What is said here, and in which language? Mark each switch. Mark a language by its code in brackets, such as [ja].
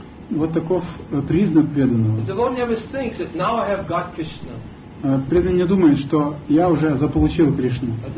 [ru] Вот таков признак преданного. [en] The devotee never thinks that now I have got Krishna. [ru] Преданный не думает, что я уже заполучил Кришну.